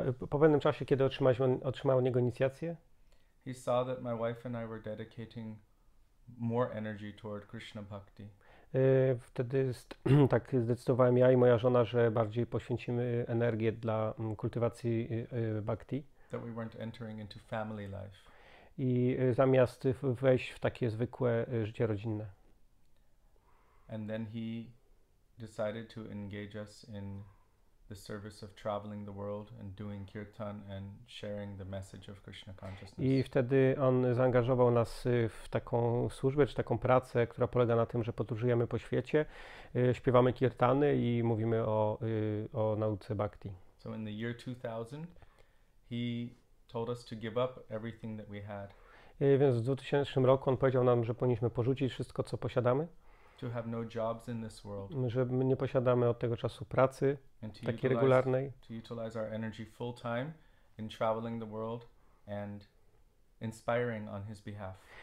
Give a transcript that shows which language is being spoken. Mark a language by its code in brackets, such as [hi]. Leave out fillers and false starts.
[pl] po pewnym czasie, kiedy otrzymałem od niego inicjację, [en] he saw that my wife and I were dedicating more energy toward Krishna bhakti. [pl] Wtedy tak zdecydowałem ja i moja żona, że bardziej poświęcimy energię dla kultywacji bhakti. [en] That we weren't entering into family life. [pl] I zamiast wejść w takie zwykłe życie rodzinne. [en] And then he decided to engage us in the service of traveling the world and doing kirtan and sharing the message of Krishna consciousness. [pl] I wtedy on zaangażował nas w taką służbę czy taką pracę, która polega na tym, że podróżujemy po świecie, śpiewamy kirtany i mówimy o nauce bhakti. [en] So in the year 2000 he told us to give up everything that we had. [pl] Więc w 2000 roku on powiedział nam, że powinniśmy porzucić wszystko, co posiadamy. [en] To have no jobs in this world. [pl] Że my nie posiadamy od tego czasu pracy takiej regularnej. [en] To utilize our energy full time in traveling the world and inspiring on his behalf.